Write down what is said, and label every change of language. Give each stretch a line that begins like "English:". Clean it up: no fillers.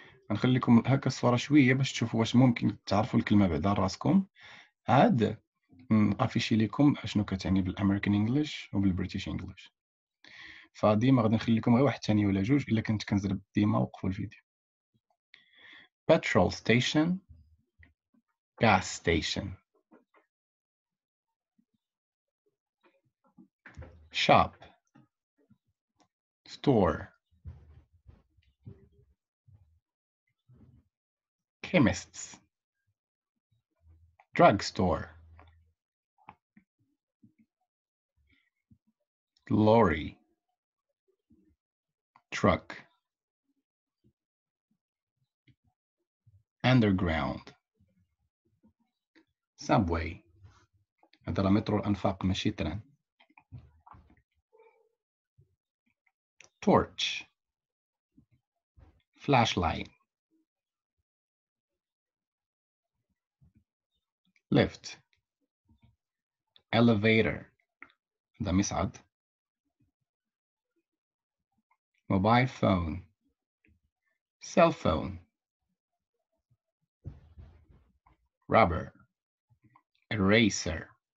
Arabic: نخليكم هكا الصورة شوية باش تشوفوا واش ممكن تعرفوا الكلمة بعدا راسكم، عاد نقفشي لكم اشنو كتعني بالامريكان انجلش وبالبريتش انجلش. فديما غادي نخليكم غير واحد تاني ولا جوج الا كنت كنزرب ديما وقفوا الفيديو.
English: Petrol station gas station shop store chemists, drugstore, lorry, truck, underground, subway.
Arabic: هذا راه مترو الأنفاق ماشي ترن.
English: torch, flashlight, lift, elevator, the مصعد, mobile phone, cell phone, rubber, eraser,